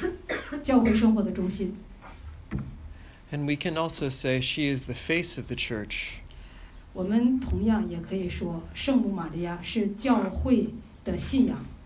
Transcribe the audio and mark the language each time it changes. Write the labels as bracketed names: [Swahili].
[Chinese] 她是教会生活的心脏，教会生活的中心。 [English] And we can also say she is the face of the church. [Chinese] 我们同样也可以说圣母玛利亚是教会的信仰。